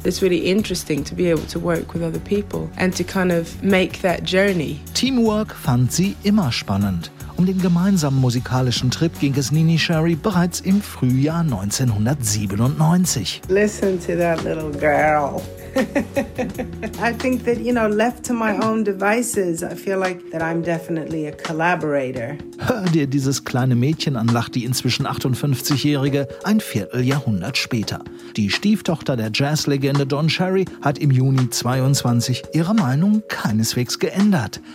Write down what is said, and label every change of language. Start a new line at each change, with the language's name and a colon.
English: It's really interesting to be able to work with other people and to kind of make that journey.
German: Teamwork fand sie immer spannend Um den gemeinsamen musikalischen Trip ging es Nini Sherry bereits im Frühjahr 1997.
English: Listen to that little girl. I think that, you know, left to my own devices, I feel like that I'm definitely a collaborator.
German: Hör dir dieses kleine Mädchen an, lacht die inzwischen 58-Jährige, ein Vierteljahrhundert später. Die Stieftochter der Jazzlegende Don Cherry hat im Juni 22 ihre Meinung keineswegs geändert.